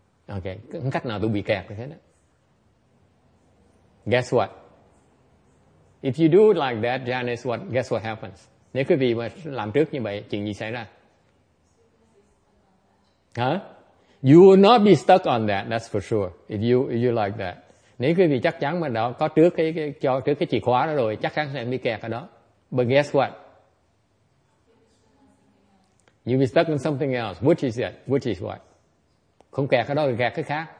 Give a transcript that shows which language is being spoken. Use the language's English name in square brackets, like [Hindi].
[Vietnamese] Ok, không cách nào tôi bị kẹt như thế đó. [English] Guess what? If you do it like that, Janice, guess what happens? [Vietnamese] Nếu quý vị mà làm trước như vậy, chuyện gì xảy ra? Hả? [English] You will not be stuck on that, that's for sure. If you like that. [Vietnamese] Nếu quý vị chắc chắn mà đó có trước cái chìa khóa đó rồi, chắc chắn sẽ bị kẹt ở đó. [English] But guess what? You be stuck on something else. Which is it? Which is what? [Vietnamese] Không kẹt ở đó thì kẹt cái khác.